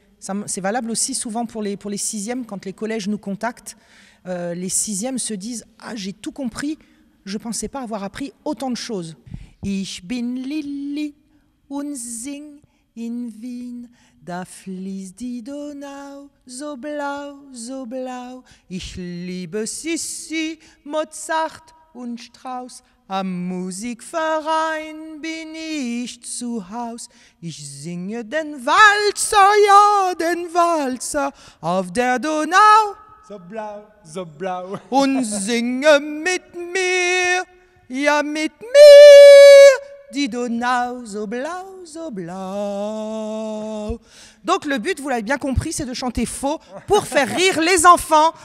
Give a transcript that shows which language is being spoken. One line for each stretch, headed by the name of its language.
French: Ça, c'est valable aussi souvent pour les sixièmes, quand les collèges nous contactent. Les sixièmes se disent « Ah, j'ai tout compris, je ne pensais pas avoir appris autant de choses. »«
German: Ich bin Lilli und sing in Wien. » Da fließt die Donau, so blau, so blau. Ich liebe Sissi, Mozart und Strauss. Am Musikverein bin ich zu Haus. Ich singe den Walzer, ja, den Walzer auf der Donau. So blau, so blau. Und singe mit mir, ja, mit mir. Die Donau, so blau, so blau.
French: Donc le but, vous l'avez bien compris, c'est de chanter faux pour faire rire les enfants.